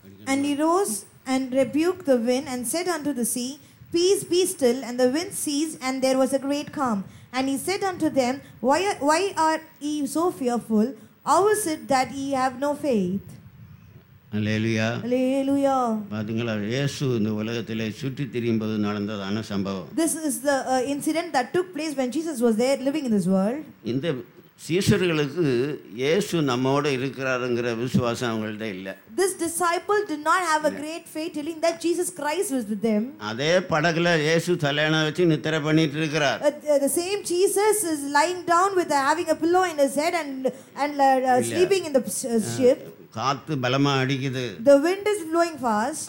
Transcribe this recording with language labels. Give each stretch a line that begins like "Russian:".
English: And he rose and rebuked the wind and said unto the sea, Peace be still. And the wind ceased, and there was a great calm. And he said unto them, Why are ye so fearful? How is it that ye have no faith?
Tamil: அல்லேலூயா, அல்லேலூயா. பாத்தீங்களா, இயேசு இந்த உலகத்திலே சுற்றி திரியும்போது நடந்ததான சம்பவம்.
English: This is the incident that took place when Jesus was there living in this world.
Tamil: இந்த சீஷர்களுக்கு இயேசு நம்மோட இருக்கிறாருங்கிற விசுவாசம் அவங்கள்ட்ட இல்ல.
English: This disciple did not have a great faith telling that Jesus Christ was with them.
Tamil: அதே படகுல இயேசு தலையண வச்சு நித்திர பண்ணிட்டு இருக்கிறார்.
English: The same Jesus is lying down with having a pillow in his head and sleeping in the ship.
Tamil: காத்து பலமா அடிக்குது.
English: The wind is blowing fast.